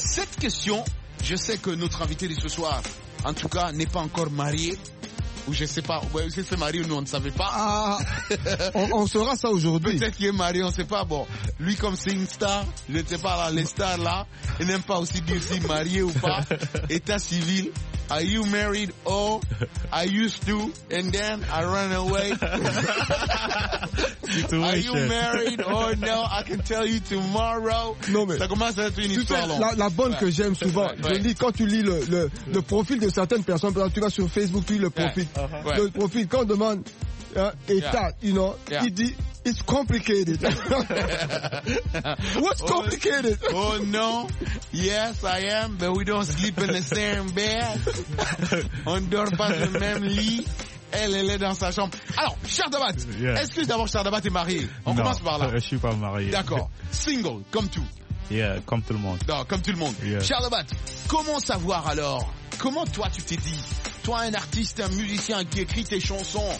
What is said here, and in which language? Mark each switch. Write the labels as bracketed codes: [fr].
[fr] Cette question, je sais que notre invité de ce soir, en tout cas, n'est pas encore marié. Ou je sais pas, ouais, si c'est marié ou nous on ne savait pas. Ah, on saura ça aujourd'hui. Peut-être qu'il est marié, on sait pas. Bon, lui comme c'est une star, je ne sais pas, là, les stars là, ils n'aiment pas aussi dire si marié ou pas. [en] État civil, are you married or I used to and then I ran away. Are you married or no, I can tell you tomorrow. [fr] Non mais, ça commence à être une histoire longue. La bonne que j'aime souvent, je dis quand tu lis le profil de certaines personnes, par exemple, tu vas sur Facebook, tu lis le profil. Uh-huh. Le profil, quand on demande état, il dit [en] it's complicated. What's complicated? Oh no, yes I am, but we don't sleep in the same bed. [fr] On dort pas le même lit. Elle est dans sa chambre. Alors, Charles Dabat, est-ce que d'abord Charles Dabat est marié? On commence par là. Je suis pas marié. D'accord, single, comme tout. Yeah, comme tout le monde. Non, comme tout le monde. [en] Yeah. [fr] Charles Dabat, comment savoir alors? Comment toi tu t'es dit? Toi, un artiste, un musicien qui écrit tes chansons,